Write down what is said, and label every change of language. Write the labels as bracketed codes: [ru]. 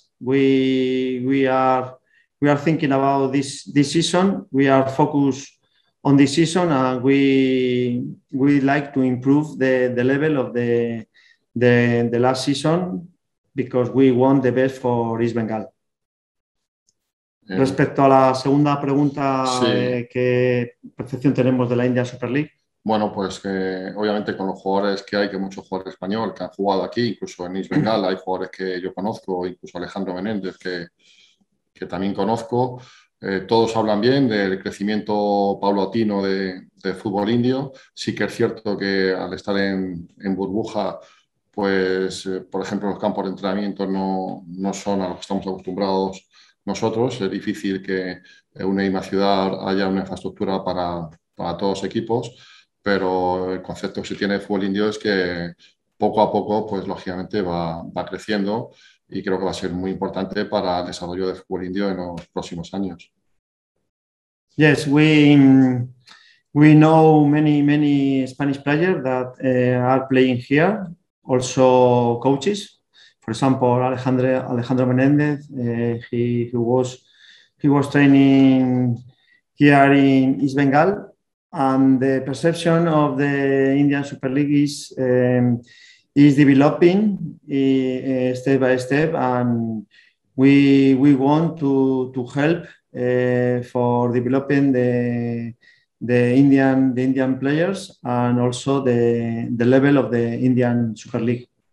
[en] We are thinking about this season. We are focused on this season, and we like to improve the level of the last season, because we want the best for East Bengal. [es] Respecto a la segunda pregunta, sí. ¿Qué percepción tenemos de la India Super League? Bueno, pues obviamente con los jugadores que hay, que muchos jugadores españoles que han jugado aquí, incluso en East Bengal, hay jugadores que yo conozco, incluso Alejandro Menéndez, que también conozco. Todos hablan bien del crecimiento paulatino de fútbol indio. Sí que es cierto que al estar en burbuja, pues, por ejemplo, los campos de entrenamiento no son a los que estamos acostumbrados nosotros. Es difícil que en una misma ciudad haya una infraestructura para todos los equipos, pero el concepto que se tiene de fútbol indio es que poco a poco, pues, lógicamente, va creciendo, y creo que va a ser muy importante para el desarrollo de fútbol indio en los próximos años. [en] Yes, we know many Spanish players that are playing here. Also coaches for example, Alejandro Menéndez, he was training here in East Bengal, and the perception of the Indian Super League is developing step by step, and we want to help for developing the Indian players and also the level of the Indian Super League.